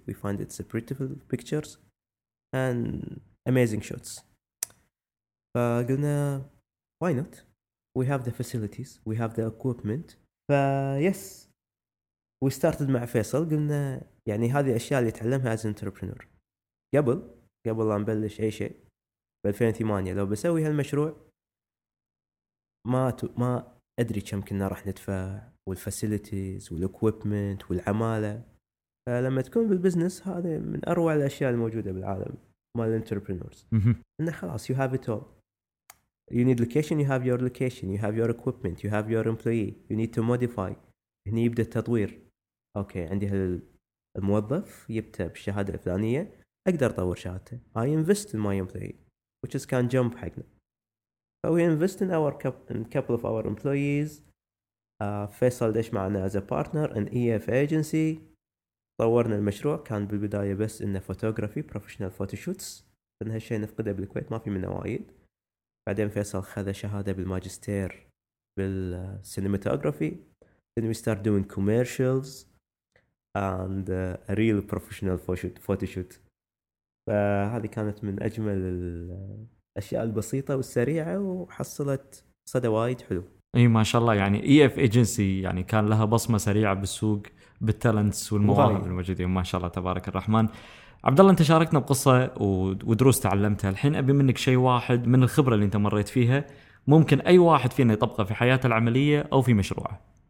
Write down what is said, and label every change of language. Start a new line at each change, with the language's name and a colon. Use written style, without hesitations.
English: we find it's a beautiful pictures and amazing shots. فقلنا why not we have the facilities we have the equipment. ف yes we started
Arabic: مع فيصل. قلنا يعني هذه الأشياء اللي تعلمها
English: as entrepreneur
Arabic: قبل لا نبلش أي شيء في 2008 لو بسوي هالمشروع ما أدري كم كنا راح ندفع والفاسيليتيز والإكويبمنت والعمالة. فلما تكون بالبزنس هذه من أروع الأشياء الموجودة بالعالم مال entrepreneurs. إنه خلاص
English: you have it all. You need location, you have your location, you have your equipment, you have your employee, you need to modify.
Arabic: هني يبدأ التطوير. أوكي عندي هال الموظف يبتى بالشهادة الفلانية أقدر أطور شهادته.
English: I invest in my employee which is can jump حقنا. So we invest in our couple of our employees.
Arabic: فيصل دش معنا
English: as a partner in EF agency.
Arabic: طورنا المشروع كان بالبداية بس إنه فوتوغرافي بروفيشنال فوتوشوتس، لأن هالشيء نفقده بالكويت ما في منه وايد. بعدين فيصل خذ شهادة بالماجستير بالسينماتوغرافي.
English: Then we start doing commercials and a real professional photoshoot.
Arabic: فهذه كانت من أجمل الأشياء البسيطة والسريعة وحصلت صدى وايد حلو. اي ما شاء الله، يعني EF agency يعني كان لها بصمة سريعة بالسوق بالتالنتس والمواهب الموجودين ما شاء الله تبارك الرحمن. عبد الله انت شاركتنا بقصة ودروس تعلمتها، الحين ابي منك شيء واحد من الخبرة اللي انت مريت فيها ممكن اي واحد فينا يطبقه في حياته العملية او في مشروعه.